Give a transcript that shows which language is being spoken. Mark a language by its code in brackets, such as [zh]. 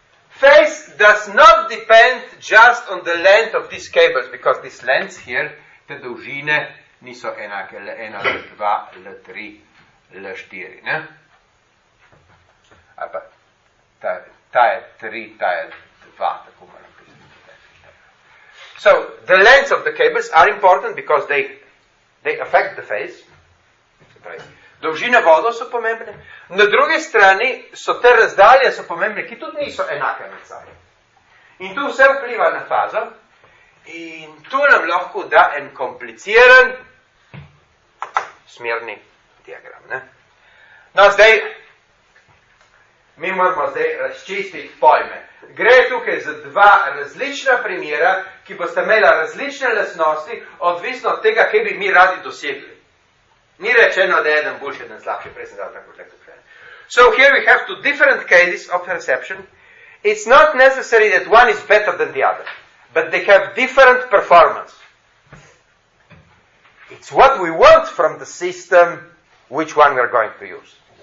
[en] Phase does not depend just on the length of these cables, because this length here, [sl] te dolžine niso enake, [en] L1, L2, L3, L4, ne? [sl] Ali pa, ta je 3, ta je 2, tako moram pisati. [en] So, the lengths of the cables are important because they affect the phase. [sl] Dolžine vodov so pomembne. Na drugi strani so te razdalje so pomembne, ki tudi niso enake med sabo. In tu vse vpliva na fazo. In tu nam lahko da en kompliciran smerni diagram. Ne? No, zdaj, mi moramo zdaj razčistiti pojme. Gre tukaj za dva različna primera, ki boste imela različne lastnosti, odvisno od tega, kaj bi mi radi dosegli. Ni rečeno, da je eden boljši, eden slabši, prej sem dal tako tako tukaj. [en] So here we have two different cases of reception. It's not necessary that one is better than the other. But they have different performance. It's what we want from the system, which one we are going to use.